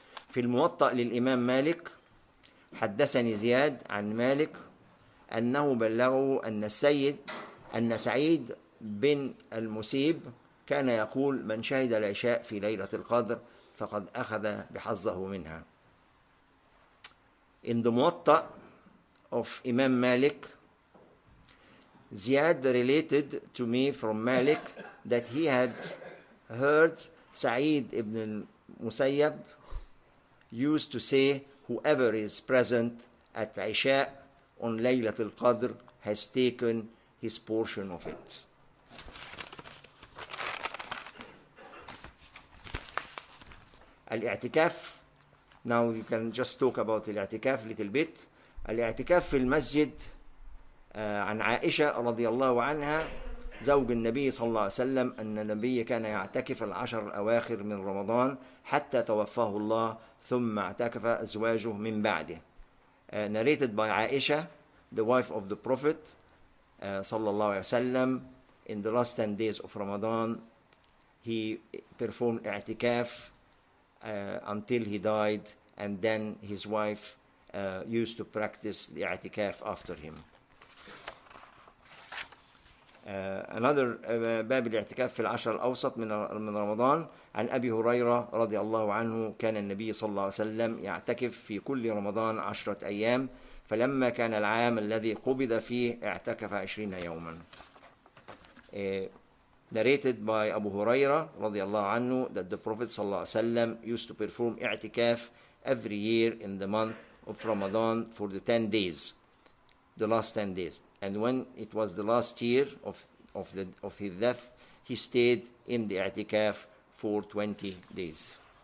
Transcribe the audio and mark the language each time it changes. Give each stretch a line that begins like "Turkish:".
Arabic: في الموطأ للإمام مالك حدثني زياد عن مالك أنه بلغه أن السيد أن سعيد بن المسيب كان يقول من شهد العشاء في ليلة القدر فقد أخذ بحظه منها.
English: In the موطأ of إمام مالك, Ziyad related to me from Malik that he had heard Sa'id ibn al-Musayyab used to say, whoever is present at Isha on Laylat al-Qadr has taken his portion of it. Al-I'tikaf, now you can just talk about al-I'tikaf a little bit.
Arabic: Al-I'tikaf fi al-Masjid, عن عائشة رضي الله عنها زوج النبي صلى الله عليه وسلم أن النبي كان يعتكف العشر الأواخر من رمضان حتى توفاه الله ثم اعتكف أزواجه من بعده.
English: Narrated by عائشة, the wife of the Prophet صلى الله عليه وسلم, in the last 10 days of Ramadan he performed اعتكاف until he died, and then his wife used to practice the اعتكاف after him.
Arabic: Another باب الاعتكاف في العشر الأوسط من رمضان عن أبي هريرة رضي الله عنه كان النبي صلى الله عليه وسلم يعتكف في كل رمضان 10 أيام فلما كان العام الذي قبض فيه اعتكف 20 يوما.
English: Narrated by أبو هريرة رضي الله عنه that the Prophet صلى الله عليه وسلم used to perform اعتكاف every year in the month of Ramadan for the 10 days, the last 10 days. And when it was the last year of his death, he stayed in the i'tikaf for 20 days.